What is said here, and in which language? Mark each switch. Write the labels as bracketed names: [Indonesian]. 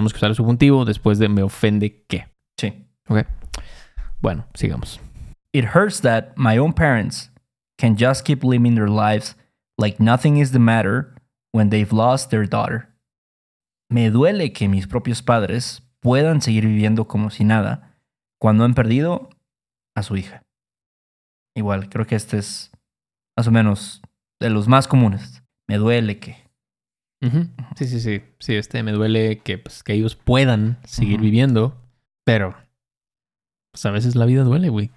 [Spanish] Tenemos que usar el subjuntivo después de me ofende que. Sí. ¿Ok? Bueno, sigamos. [English] It hurts that my own parents can just keep living their lives like nothing is the matter when they've lost their daughter. [Spanish] Me duele que mis propios padres puedan seguir viviendo como si nada cuando han perdido a su hija. Igual, creo que este es más o menos de los más comunes. Me duele que... Uh-huh. Sí. Sí, me duele que, pues, que ellos puedan seguir uh-huh. viviendo, pero pues, a veces la vida duele, güey.